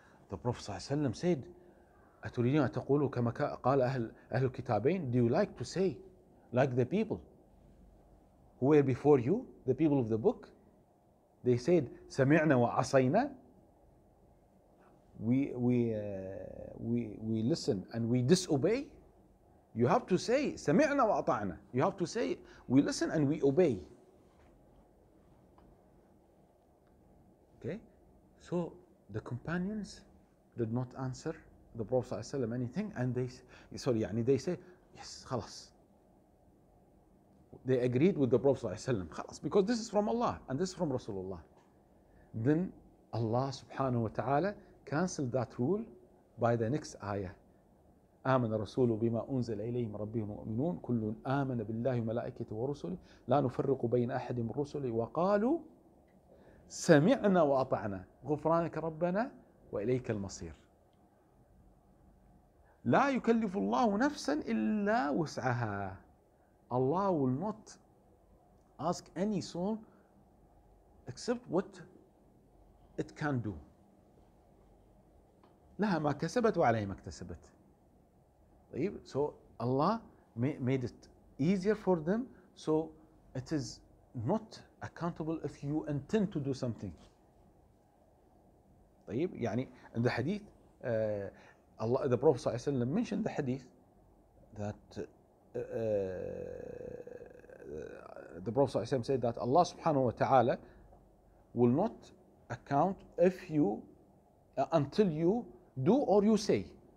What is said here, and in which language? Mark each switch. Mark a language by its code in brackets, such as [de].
[en] The Prophet said, [ar] "أتريدين أن تقولوا كما قال أهل الكتابين?" [en] Do you like to say, like the people who were before you, the people of the book? They said, [ar] "سمعنا وعصينا." [en] We listen and we disobey. You have to say, [ar] "سمعنا وأطعنا." [en] You have to say, "We listen and we obey." Okay, so the companions did not answer the Prophet ﷺ anything, and they say, "Yes, khalas." They agreed with the Prophet ﷺ, khalas, because this is from Allah and this is from Rasulullah. Then Allah subhanahu wa ta'ala canceled that rule by the next ayah. [ar] آمن الرسول بما أنزل إليهم ربهم المؤمنون كل آمن بالله وملائكته ورسله لا نفرق بين أحد من رسله وقالوا سمعنا وأطعنا غفرانك ربنا وإليك المصير لا يكلف الله نفسا إلا وسعها. [en] Allah will not ask any soul except what it can do. [ar] لها ما كسبت وعليه ما اكتسبت. [en] So Allah made it easier for them, so it is not accountable if you intend to do something. [ar] طيب يعني [en] in the hadith, Allah, the Prophet [ar] صلى الله عليه وسلم [en] mentioned the hadith that the Prophet صلى الله عليه وسلم said that Allah subhanahu wa ta'ala will not account if you until you do or you say.